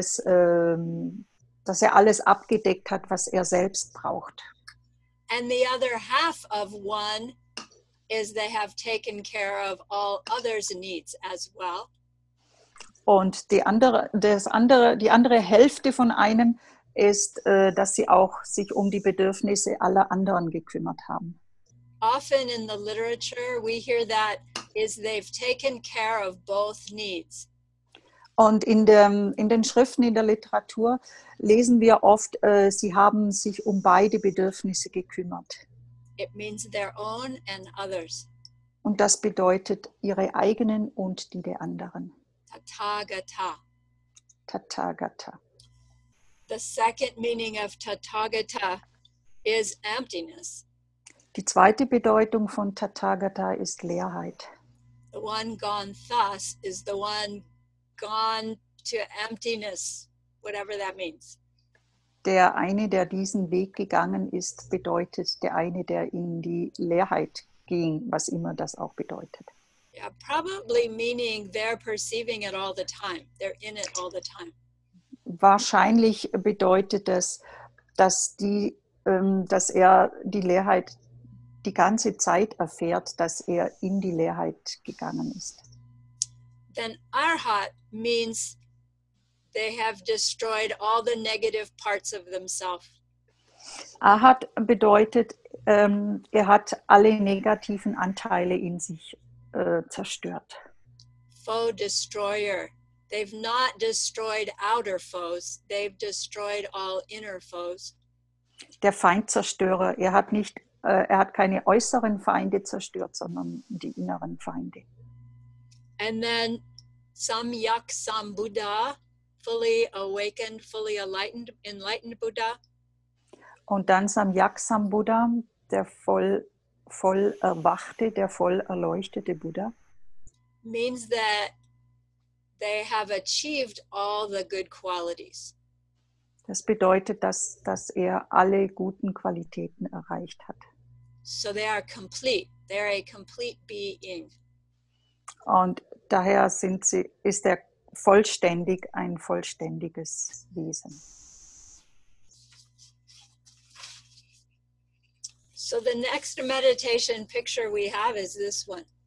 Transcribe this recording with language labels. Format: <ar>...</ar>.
<de>Der teilt, dass er alles abgedeckt hat, was er selbst braucht.</de> <en>And the other half of one is they have taken care of all others' needs as well.</en> <de>Und die andere Hälfte von einem ist, dass sie auch sich um die Bedürfnisse aller anderen gekümmert haben.</de> <en>Often in the literature we hear that is they've taken care of both needs.</en> <de>Und in den Schriften, in der Literatur lesen wir oft, sie haben sich um beide Bedürfnisse gekümmert.</de> <en>It means their own and others.</en> <de>Und das bedeutet ihre eigenen und die der anderen.</de> <sa>Tathagata. Tathagata.</sa> <en>The second meaning of Tathagata is emptiness.</en> <de>Die zweite Bedeutung von Tathagata ist Leerheit.</de> <en>The one gone thus is the one gone to emptiness, whatever that means.</en> <de>Der eine, der diesen Weg gegangen ist, bedeutet der eine, der in die Leerheit ging, was immer das auch bedeutet.</de> <en>Yeah, probably meaning they're perceiving it all the time. They're in it all the time.</en> <de>Wahrscheinlich bedeutet es, dass er die Leerheit die ganze Zeit erfährt, dass er in die Leerheit gegangen ist.</de> <en>Then Arhat means they have destroyed all the negative parts of themselves.</en> <de>Arhat bedeutet, er hat alle negativen Anteile in sich zerstört.</de> <en>Foe destroyer. They've not destroyed outer foes. They've destroyed all inner foes.</en> <de>Der Feindzerstörer. Er hat keine äußeren Feinde zerstört, sondern die inneren Feinde.</de> <en>And then Samyaksambuddha, fully awakened, fully enlightened Buddha.</en> <de>Und dann Samyaksambuddha, der voll erwachte, der voll erleuchtete Buddha.</de> <en>Means that they have achieved all the good qualities.</en> <de>Das bedeutet, dass er alle guten Qualitäten erreicht hat.</de> <en>So they are complete. They're a complete being.</en> <de>Und daher ist er vollständig ein vollständiges Wesen.</de> <en>So the next meditation picture we have is this one.</en>